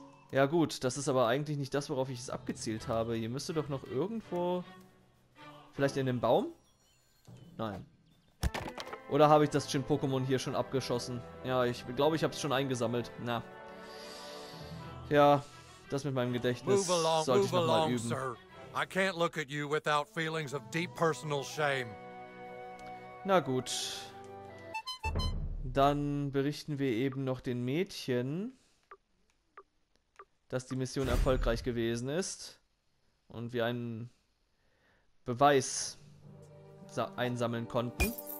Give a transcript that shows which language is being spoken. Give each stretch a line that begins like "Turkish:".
German: Ja gut, das ist aber eigentlich nicht das, worauf ich es abgezielt habe. Hier müsste doch noch irgendwo... Vielleicht in dem Baum? Nein. Oder habe ich das Shin-Pokémon hier schon abgeschossen? Ja, ich glaube, ich habe es schon eingesammelt. Na. Ja, das mit meinem Gedächtnis sollte ich nochmal üben. Sir.
English: I can't look at you without feelings of deep personal shame.
German: Na gut. Dann berichten wir eben noch den Mädchen, dass die Mission erfolgreich gewesen ist. Und wir einen Beweis einsammeln konnten.